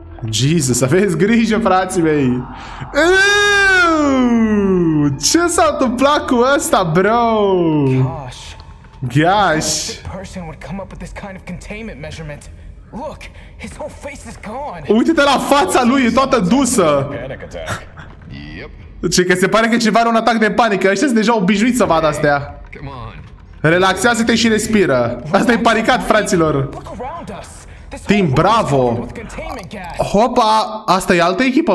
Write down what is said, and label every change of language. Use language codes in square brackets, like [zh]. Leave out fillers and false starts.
[en] Jesus, [ro] aveți grijă, frații mei. Eww, ce s-a întâmplat cu ăsta, bro? Gosh, [en] Gosh. No stupid person would come up with this kind of containment measurement. Look, his whole face is gone. [ro] Uite-te la fața lui, e toată dusă. [en] Yep. [ro] Deci că se pare că ceva are un atac de panică. Ăștia sunt deja obișnuit să vadă astea. Relaxează-te și respiră. Asta e panicat, fraților. Team Bravo. Hopa, asta e altă echipă.